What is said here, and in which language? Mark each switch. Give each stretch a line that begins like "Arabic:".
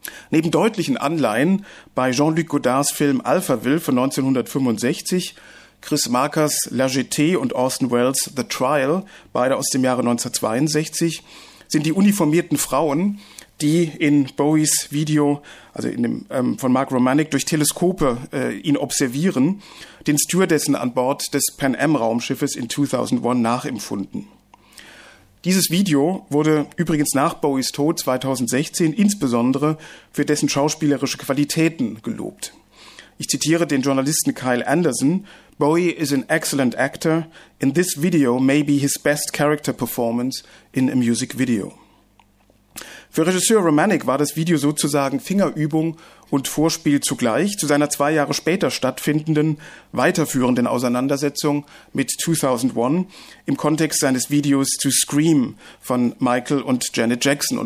German: Neben deutlichen Anleihen bei Jean-Luc Godards Film Alphaville von 1965, Chris Markers La Jetée und Orson Welles' The Trial, beide aus dem Jahre 1962, sind die uniformierten Frauen, die in Bowies Video, also in dem, von Mark Romanek, durch Teleskope ihn observieren, den Stewardessen an Bord des Pan Am Raumschiffes in 2001 nachempfunden. Dieses Video wurde übrigens nach Bowies Tod 2016 insbesondere für dessen schauspielerische Qualitäten gelobt. Ich zitiere den Journalisten
English: Kyle Anderson: "Bowie is an excellent actor. In this video may be his best character performance in a music video."
German: Für Regisseur Romanek war das Video sozusagen Fingerübung und Vorspiel zugleich zu seiner zwei Jahre später stattfindenden, weiterführenden Auseinandersetzung mit 2001 im Kontext seines Videos zu Scream von Michael und Janet Jackson.